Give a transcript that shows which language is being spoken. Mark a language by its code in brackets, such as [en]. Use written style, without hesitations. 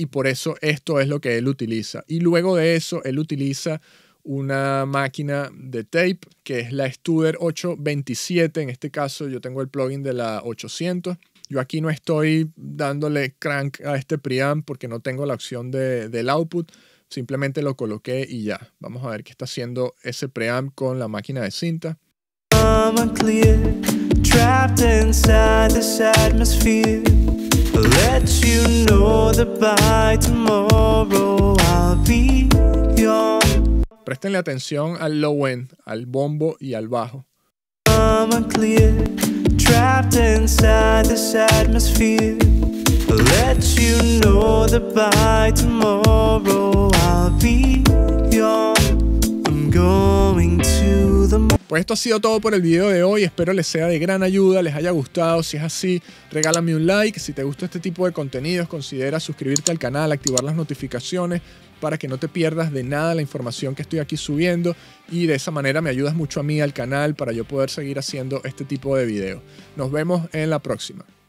[es] Y por eso esto es lo que él utiliza. Y luego de eso, él utiliza una máquina de tape, que es la Studer 827. En este caso, yo tengo el plugin de la 800. Yo aquí no estoy dándole crank a este preamp porque no tengo la opción del output. Simplemente lo coloqué y ya. Vamos a ver qué está haciendo ese preamp con la máquina de cinta. [en] I'm unclear, trapped inside this atmosphere. I'll let you know that by tomorrow I'll be gone. [es] Prestenle atención al low end, al bombo y al bajo. [en] I'm unclear, trapped inside this atmosphere. I'll let you know that by tomorrow I'll be gone. I'm going to the moon. [es] Pues esto ha sido todo por el video de hoy, espero les sea de gran ayuda, les haya gustado. Si es así, regálame un like. Si te gusta este tipo de contenidos, considera suscribirte al canal, activar las notificaciones para que no te pierdas de nada la información que estoy aquí subiendo, y de esa manera me ayudas mucho a mí, al canal, para yo poder seguir haciendo este tipo de videos. Nos vemos en la próxima.